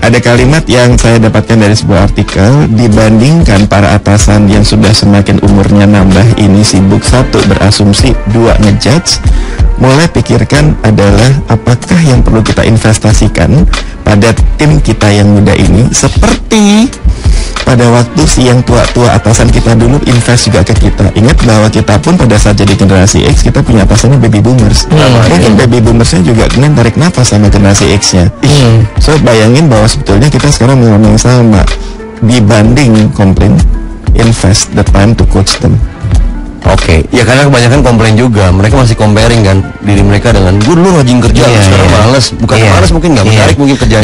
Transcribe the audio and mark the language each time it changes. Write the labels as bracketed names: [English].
[Indonesian] Ada kalimat yang saya dapatkan dari sebuah artikel, dibandingkan para atasan yang sudah semakin umurnya nambah ini sibuk, satu berasumsi, dua ngejudge, mulai pikirkan adalah apakah yang perlu kita investasikan pada tim kita yang muda ini, seperti pada waktu si yang tua-tua atasan kita dulu invest juga ke kita. Ingat bahwa kita pun pada saat jadi generasi X, kita punya atasannya baby boomers. Mungkin baby boomersnya juga kemudian tarik nafas sama generasi X-nya. So bayangin bahwa sebetulnya kita sekarang mengalami yang sama. Dibanding komplain, [English] invest the time to coach them. Oke, okay. [Indonesian] Ya karena kebanyakan komplain juga, mereka masih comparing kan diri mereka dengan gue lu rajin kerja, malas, bukan malas mungkin nggak menarik mungkin kerjanya.